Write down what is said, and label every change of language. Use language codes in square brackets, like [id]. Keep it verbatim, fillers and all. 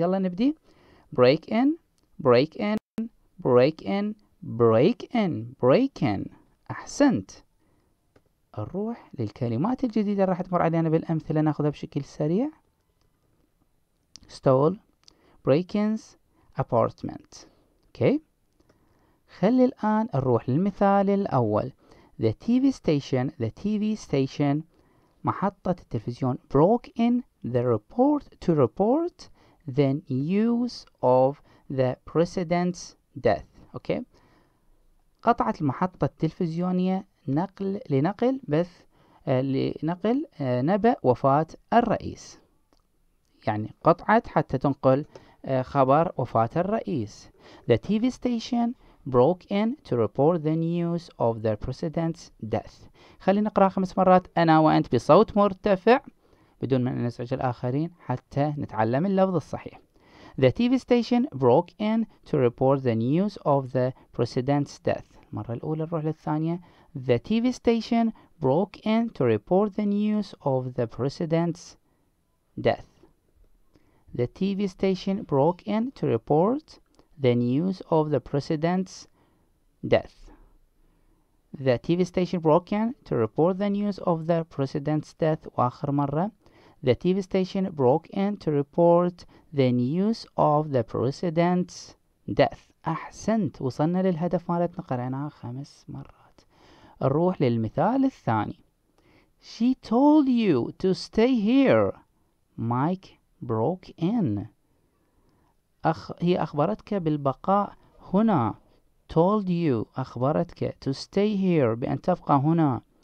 [ar] يلا نبدي [en] break in break in break in break in break in. [ar] أحسنت. نروح للكلمات الجديدة راح تمر علينا بالأمثلة، ناخذها بشكل سريع. [en] stole، break-ins، apartment. [ar] اوكي، خلي الآن نروح للمثال الأول. [en] the tv station the tv station [ar] محطة التلفزيون [en] broke in the report to report the news of the president's death. [ar] اوكي، قطعت المحطة التلفزيونية نقل لنقل بث آه، لنقل آه، نبأ وفاة الرئيس، يعني قطعت حتى تنقل آه، خبر وفاة الرئيس. [en] The T V station broke in to report the news of the president's death. [ar] خلينا نقرأ خمس مرات أنا وأنت بصوت مرتفع بدون ما نزعج الآخرين حتى نتعلم اللفظ الصحيح. [en] The T V station broke in to report the news of the president's death. [ar] المرة الأولى نروح للثانية. [en] The T V station broke in to report the news of the president's death. The T V station broke in to report the news of the president's death. The T V station broke in to report the news of the president's death. [ar] وآخر مرة. [en] The T V station broke in to report the news of the president's death. [ar] أحسنت، وصلنا للهدف مالتنا، قرأناها خمس مرات. نروح للمثال الثاني. [en] She told you to stay here. Mike broke in. أخ... [ar] هي أخبرتك بالبقاء هنا. [en] told you [ar] أخبرتك، [en] to stay here [ar] بأن تبقى هنا.